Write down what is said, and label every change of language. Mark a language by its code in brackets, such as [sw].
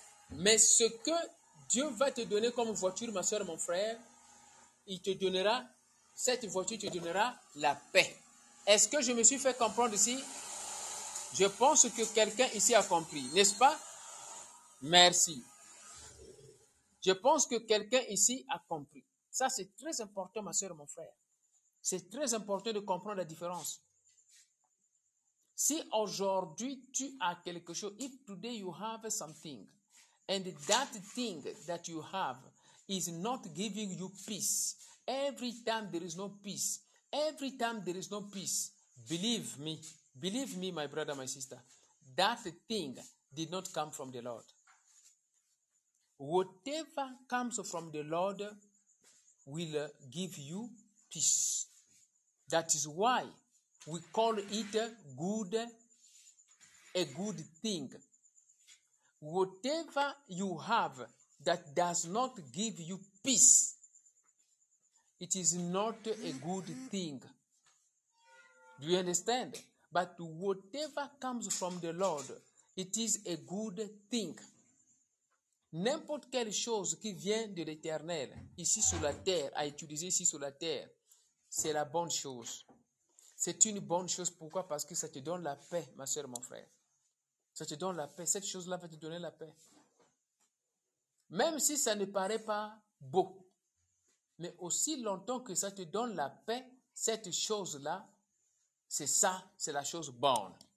[fr] Mais ce que Dieu va te donner comme voiture, ma soeur, mon frère, il te donnera, cette voiture te donnera la paix. Est-ce que je me suis fait comprendre ici? Je pense que quelqu'un ici a compris, n'est-ce pas? Merci. Je pense que quelqu'un ici a compris. Ça, c'est très important, ma soeur, mon frère. C'est très important de comprendre la différence. Si aujourd'hui, tu as quelque chose, [en] if today you have something, and that thing that you have is not giving you peace, every time there is no peace, every time there is no peace, believe me, my brother, my sister, that thing did not come from the Lord. Whatever comes from the Lord will give you peace. That is why we call it good, a good thing. Whatever you have that does not give you peace, it is not a good thing. Do you understand? But whatever comes from the Lord, it is a good thing. [fr] N'importe quelle chose qui vient de l'Éternel, ici sur la terre, à utiliser ici sur la terre, c'est la bonne chose. C'est une bonne chose. Pourquoi? Parce que ça te donne la paix, ma soeur, mon frère. Ça te donne la paix. Cette chose-là va te donner la paix. Même si ça ne paraît pas beau, mais aussi longtemps que ça te donne la paix, cette chose-là, c'est ça, c'est la chose bonne.